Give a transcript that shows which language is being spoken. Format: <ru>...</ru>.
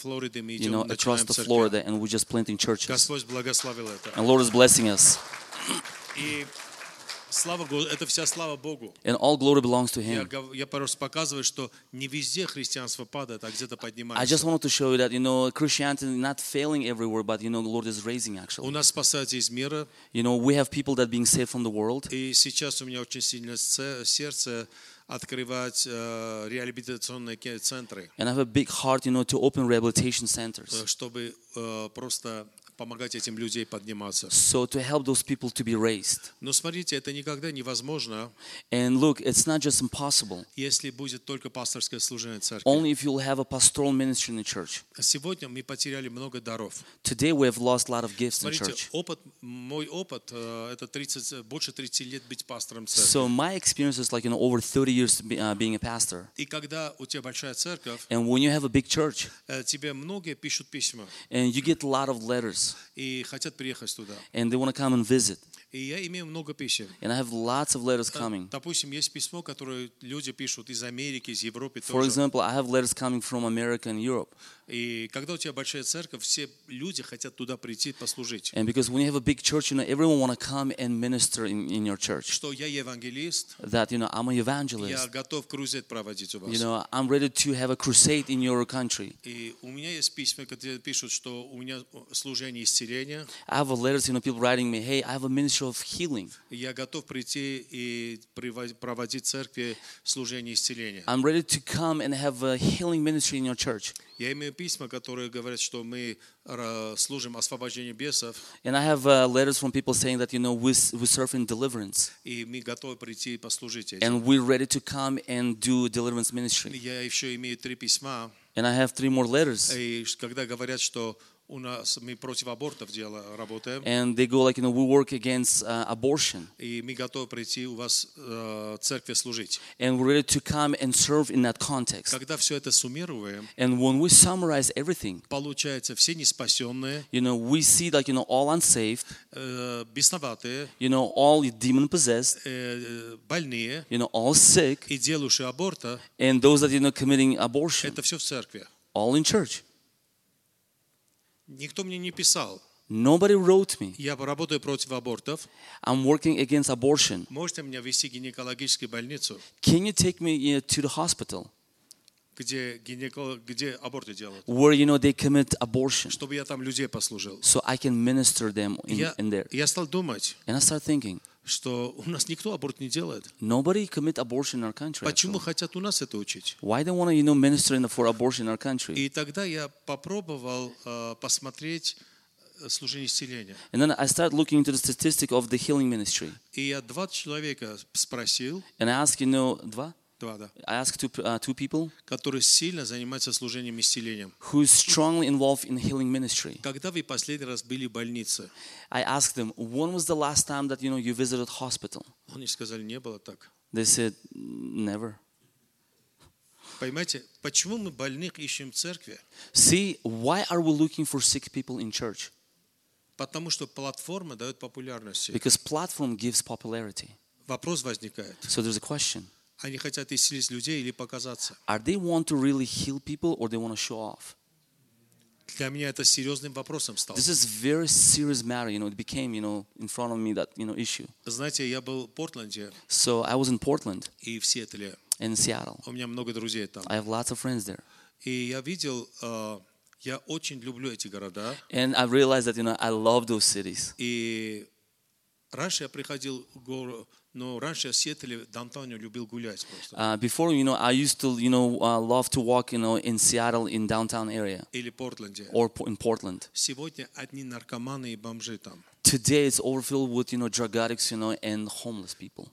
<en>You know, across the Florida, and we're just planting churches. And Lord is blessing us.</en> <ru>Слава Богу, это вся слава Богу.</ru> <en>And all glory belongs to Him.</en> <ru>Я просто показываю, что не везде христианство падает, а где-то поднимается.</ru> <en>I just wanted to show you that, you know, Christianity is not failing everywhere, but you know, the Lord is raising actually.</en> <ru>У нас спасают из мира.</ru> <en>You know, we have people that are being saved from the world.</en> <ru>И сейчас у меня очень сильное сердце открывать реабилитационные центры.</ru> <en>And I have a big heart, you know, to open rehabilitation centers.</en> <ru>Чтобы просто помогать этим людям подниматься.</ru> <en>So to help those people to be raised.</en> <ru>Но смотрите, это никогда невозможно.</ru> <en>And look, it's not just impossible.</en> <ru>Если будет только пасторское служение церкви.</ru> <en>Only if you'll have a pastoral ministry in the church.</en> <ru>Сегодня мы потеряли много даров.</ru> <en>Today we have lost a lot of gifts in the church.</en> <ru>Смотрите, опыт, мой опыт, это 30, больше 30 лет быть пастором церкви.</ru> <en>So my experience is like, you know, over 30 years being a pastor.</en> <ru>И когда у тебя большая церковь.</ru> <en>And when you have a big church.</en> <ru>Тебе многие пишут письма.</ru> <en>And you get a lot of letters.</en> <ru>И хотят приехать туда.</ru> <en>And they want to come and visit.</en> <ru>И я имею много писем.</ru> <en>And I have lots of letters coming.</en> <ru>Допустим, есть письмо, которое люди пишут из Америки, из Европы тоже.</ru> <en>For example, I have letters coming from America and Europe.</en> <ru>И когда у тебя большая церковь, все люди хотят туда прийти послужить.</ru> <en>And because when you have a big church, you know, everyone want to come and minister in your church.</en> <ru>Что я евангелист.</ru> <en>That, you know, I'm an evangelist.</en> <ru>Я готов крузет проводить у вас.</ru> <en>You know, I'm ready to have a crusade in your country.</en> <ru>И у меня есть письма, которые пишут, что у меня служение исцеления.</ru> <en>I have letters, you know, people writing me, hey, I have a ministry of healing.</en> <ru>Я готов прийти и проводить церкви служение исцеления.</ru> <en>I'm ready to come and have a healing ministry in your church.</en> <ru>Я имею письма, которые говорят, что мы служим освобождению бесов.</ru> <en>And I have letters from people saying that, you know, we serve in deliverance.</en> <ru>И мы готовы прийти и послужить этим.</ru> <en>And we're ready to come and do deliverance ministry.</en> <ru>Я еще имею три письма.</ru> <en>And I have three more letters.</en> <ru>И когда говорят, что У нас мы против абортов дело работаем.</ru> <en>And they go like, you know, we work against abortion.</en> <ru>И мы готовы прийти у вас церкви служить.</ru> <en>And we're ready to come and serve in that context.</en> <ru>Когда все это суммируем,</ru> <en>and when we summarize everything,</en> <ru>получается все неспасенные,</ru> <en>you know, we see like, you know, all unsaved,</en> <ru>бесноватые,</ru> <en>you know, all demon possessed,</en> <ru>больные,</ru> <en>you know, all sick,</en> <ru>и делающие аборта,</ru> <en>and those that, you know, committing abortion.</en> <ru>Это все в церкви.</ru> <en>All in church.</en> <ru>Никто мне не писал.</ru> <en>Nobody wrote me.</en> <ru>Я работаю против абортов.</ru> <en>I'm working against abortion.</en> <ru>Можете меня вести в гинекологическую больницу?</ru> <en>Can you take me to the hospital?</en> <ru>Где аборты делают?</ru> <en>Where, you know, they commit abortion.</en> <ru>Чтобы я там людей послужил.</ru> <en>So I can minister them in there.</en> <ru>Я стал думать.</ru> <en>And I started thinking.</en> <ru>Что у нас никто аборт не делает.</ru> <en>Nobody commit abortion in our country.</en> <ru>Почему хотят у нас это учить?</ru> <en>Why they want to, you know, minister for abortion in our country?</en> <ru>И тогда я попробовал посмотреть служение исцеления.</ru> <en>And then I started looking into the statistic of the healing ministry.</en> <ru>И я два человека спросил.</ru> <en>And I asked, you know,</en> <ru>два? Два, да.</ru> <en>I asked two people.</en> <ru>Которые сильно занимаются служением исцелением.</ru> <en>Who is strongly involved in healing ministry.</en> <ru>Когда вы последний раз были в больнице?</ru> <en>I asked them, when was the last time that, you know, you visited hospital?</en> <ru>Они сказали, не было так.</ru> <en>They said, never.</en> <ru>Понимаете, почему мы больных ищем в церкви?</ru> <en>See, why are we looking for sick people in church?</en> <ru>Потому что платформа дает популярность.</ru> <en>Because platform gives popularity.</en> <ru>Вопрос возникает.</ru> <en>So there's a question.</en> <ru>Они хотят исцелить людей или показаться.</ru> <en>Are they want to really heal people or they want to show off?</en> <ru>Для меня это серьезным вопросом стало.</ru> <en>This is very serious matter, you know, it became, you know, in front of me that, you know, issue.</en> <ru>Знаете, я был в Портленде.</ru> <en>So I was in Portland.</en> <ru>И в Сиэтле.</ru> <en>In Seattle.</en> <ru>У меня много друзей там.</ru> <en>I have lots of friends there.</en> <ru>И я видел, я очень люблю эти города.</ru> <en>And I realized that, you know, I love those cities.</en> <ru>И раньше я приходил в город. Но раньше я в Сиэтле, даунтауне любил гулять просто.</ru> <en>Before, you know, I used to, you know, love to walk, you know, in Seattle, in downtown area.</en> <ru>Или Портленде.</ru> <en>Or in Portland.</en> <ru>Сегодня одни наркоманы и бомжи там.</ru> <en>Today it's overfilled with, you know, drug addicts, you know, and homeless people.</en>